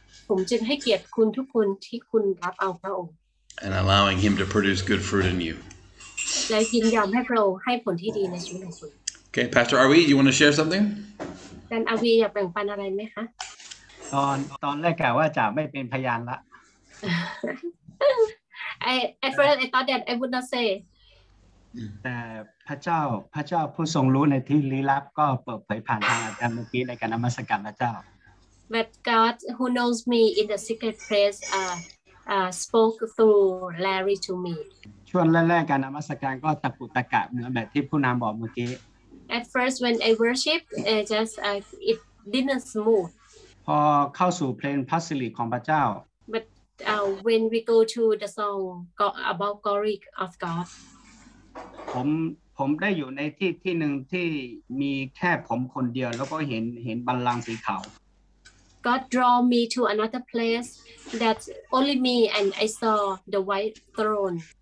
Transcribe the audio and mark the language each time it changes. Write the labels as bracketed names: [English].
[Thai] ผมจึงให้เกียรติคุณทุกคนที่คุณรับเอาพระองค์ [English] And allowing him to produce good fruit in you [Thai] และยินยอมให้พระองค์ให้ผลที่ดีในชีวิตของคุณ [English] Okay, Pastor Arvi, you want to share something? [Thai] แต่ Arvi อยากแบ่งปันอะไรไหมคะ ตอนแรกกะว่าจะไม่เป็นพยานละ [English] I first I thought that I would not say [Thai] แต่พระเจ้าผู้ทรงรู้ในที่ลี้ลับก็เปิดเผยผ่านทางอาจารย์เมื่อกี้ในการนมัสการพระเจ้า [English] But God who knows me in the secret place spoke through Larry to me [Thai] ช่วงแรกๆการนมัสการก็ตะปุตะกะเหมือนแบบที่ผู้นำบอกเมื่อกี้ [English] At first, when I worship, it didn't smooth. [Thai] พอเข้าสู่เพลงพระสิริของพระเจ้า [English] But when we go to the song about glory of God, [Thai] ผมได้อยู่ในที่ที่หนึ่งที่มีแค่ผมคนเดียวแล้วก็เห็นบัลลังก์สีขาว [English] God draw me to another place that only me and I saw the white throne.